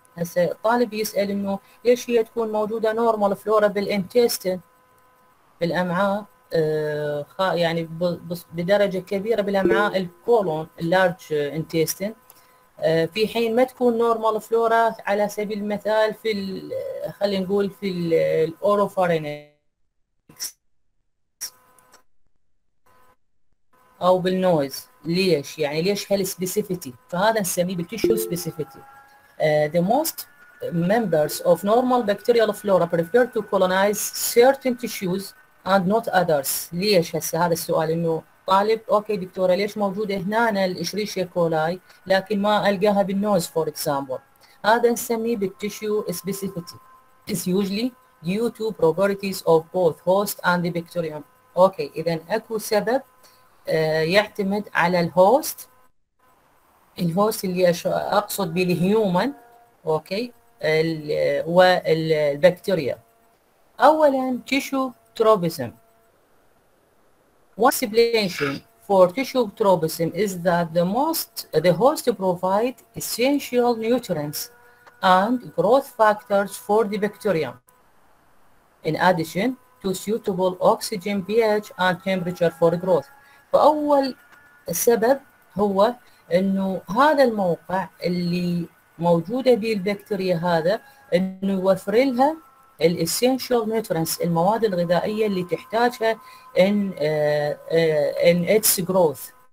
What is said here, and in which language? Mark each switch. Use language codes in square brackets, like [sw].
[ar] هسه طالب يسال انه ليش هي تكون موجوده نورمال فلورا بالانتستين بالامعاء يعني بدرجه كبيره بالامعاء الكولون اللارج انتستين، في حين ما تكون نورمال فلورا على سبيل المثال في خلينا نقول في الاوروفارينكس او بالنويز. ليش يعني ليش هالسبيسيفيتي؟ فهذا نسميه بالتيشو سبيسيفيتي. [en] The most members of normal bacterial flora prefer to colonize certain tissues and not others. [ar] ليش هسه هذا السؤال انه طالب اوكي دكتوره ليش موجوده هنا الاشريشيا كولاي لكن ما القاها بالنوز [en] For example? [ar] هذا نسميه بالتيشو سبيسيفيتي. [en] It's usually due to properties of both host and the bacterium. [ar] اوكي اذا اكو سبب يعتمد على الهوست، الهوست اللي اقصد به الهيومن اوكي والبكتيريا. اولا تيشو تروبيزم. [en] One explanation for tissue tropism is that the host provide essential nutrients and growth factors for the bacterium in addition to suitable oxygen pH and temperature for growth. [ar] فأول سبب هو انه هذا الموقع اللي موجوده به البكتيريا هذا انه يوفر لها الاسينشال نيوترينس المواد الغذائيه اللي تحتاجها [en] ان اتس جروث.